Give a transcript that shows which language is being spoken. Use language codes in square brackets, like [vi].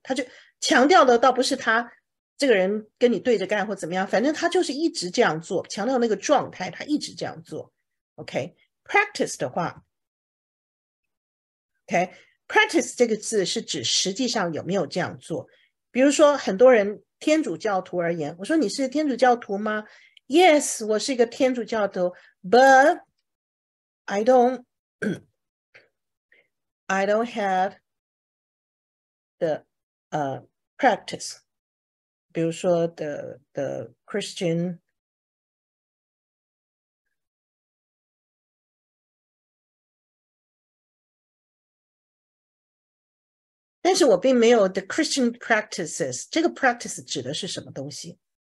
[zh] 他就强调的倒不是他这个人跟你对着干或怎么样，反正他就是一直这样做，强调那个状态，他一直这样做 OK。 practice 的话 OK， practice 这个字是指实际上有没有这样做。比如说很多人天主教徒而言。我说你是天主教徒吗？ [en] Yes, [zh] 我是一个天主教徒。 [en] But I don't have the practice. [zh] 比如说 [en] the Christian [zh] 但是我并没有 [en] the Christian practices， [zh] 这个 practice 指的是什么东西？